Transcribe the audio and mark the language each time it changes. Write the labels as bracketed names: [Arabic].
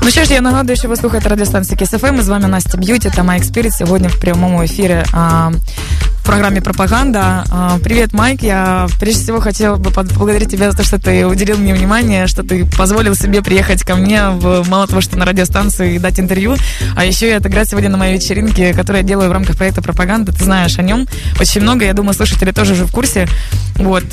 [Ukrainian] Я нагадую, що ви слухаєте радіостанцію Kiss FM. З вами Настя Б'юті та Майк Спіріт сьогодні в прямому ефірі в програмі «Пропаганда». Привіт, Майк. [Russian] Я, прежде всего, хотела бы поблагодарить тебя за то, что ты уделил мне внимание, что ты позволил себе приехать ко мне, мало того, что на радиостанции, и дать интервью, а еще и отыграть сегодня на моей вечеринке, которую я делаю в рамках проекта «Пропаганда». Ты знаешь о нем очень много. Я думаю, слушатели тоже уже в курсе. Вот.